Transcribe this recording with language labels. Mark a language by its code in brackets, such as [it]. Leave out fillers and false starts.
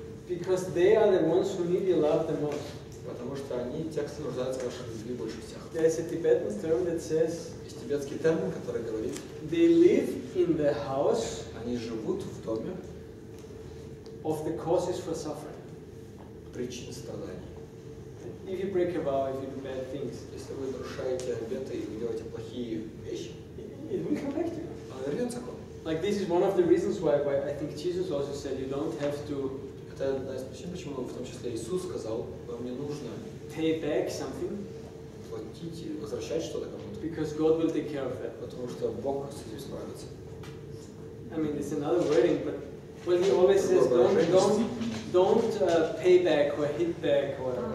[en] Because they are the ones who need your love the most. [ru] Потому что они те, кто нуждается в вашей любви больше всех. [en] There's a Tibetan term that says. [ru] Есть тибетский термин, который говорит. [en] They live in the house. [ru] Они живут в доме. [en] Of the causes for suffering. [ru] Причин страданий. [en] If you break a vow, if you do bad things. [ru] Если вы нарушаете обеты и делаете плохие вещи. [en] It will come back to you. [ru] Она вернется к вам. [en] Like this is one of the reasons why I think Jesus also said you don't have to. [ru] Это одна из причин, почему в том числе Иисус сказал, вам не нужно. [en] Pay back something. [ru] Платить, возвращать что-то кому-то. [en] Because God will take care of that. [ru] Потому что Бог с этим справится. [en] I mean, it's another wording, but when he always says don't pay back or hit back or.